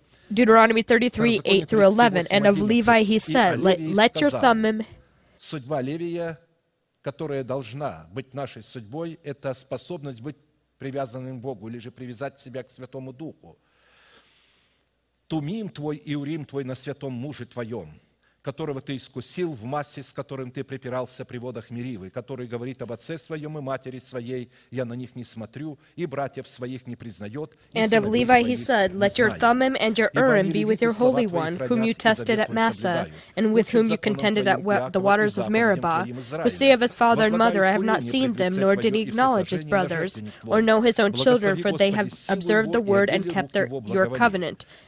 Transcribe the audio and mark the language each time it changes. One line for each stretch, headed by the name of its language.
English: Deuteronomy 33:8-11, and of Levi he said, let your Thummim...
Russian: Судьба Левия, которая должна быть нашей судьбой, это способность быть привязанным к Богу или же привязать себя к Святому Духу. Тумим твой и Урим твой на святом муже твоем, которого ты искусил в массе, с которым ты припирался при водах Меривы, который говорит об отце своем и матери своей, я на них не смотрю, и братьев своих не признает.
English: And of Levi he said, let your Thummim and your Urim be with your Holy One, whom you tested at Massa, and with whom you contended at the waters of Meribah, who say of his father and mother, I have not seen them, nor did he acknowledge his brothers, or know his own children, for they have observed the word and kept your covenant.